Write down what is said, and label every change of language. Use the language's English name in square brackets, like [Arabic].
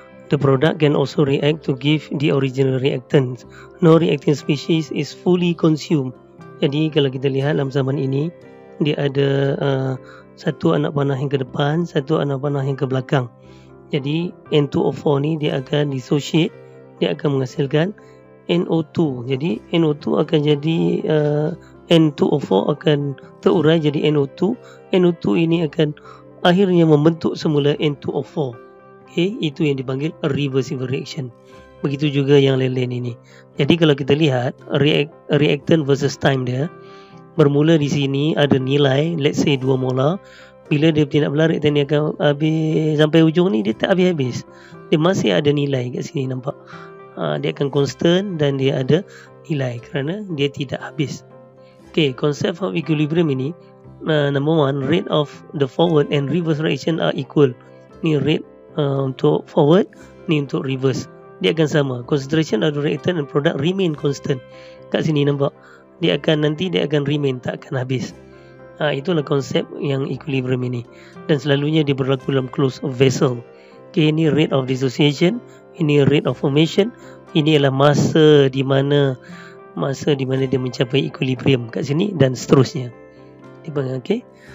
[English] The product can also react to give the original reactant. No reactant species is fully consumed. [Malay] Jadi kalau kita lihat dalam zaman ini, dia ada satu anak panah yang ke depan, satu anak panah yang ke belakang. Jadi N2O4 ni dia akan dissociate, dia akan menghasilkan NO2. Jadi NO2 akan jadi N2O4 akan terurai jadi NO2. NO2 ini akan akhirnya membentuk semula N2O4. Okay, itu yang dipanggil reversible reaction. Begitu juga yang lain-lain ini. Jadi kalau kita lihat reactant versus time dia, bermula di sini ada nilai, [English] let's say [Malay] 2 molar. Bila dia tindak balas, reaktan dia akan habis. Sampai hujung ni dia tak habis-habis, dia masih ada nilai kat sini, nampak. Dia akan constant dan dia ada nilai kerana dia tidak habis. [English] Okay, concept of equilibrium ini, number one, rate of the forward and reverse reaction are equal. [Malay] Ni rate untuk forward, ni untuk reverse, dia akan sama. [English] Concentration of the reactant and product remain constant. [Malay] Kat sini nampak, dia akan nanti dia akan remain, tak akan habis. Itulah konsep yang equilibrium ini. Dan selalunya dia berlaku dalam closed vessel. Okay, ini rate of dissociation, ini rate of formation, ini ialah masa di mana dia mencapai equilibrium kat sini dan seterusnya. Okay.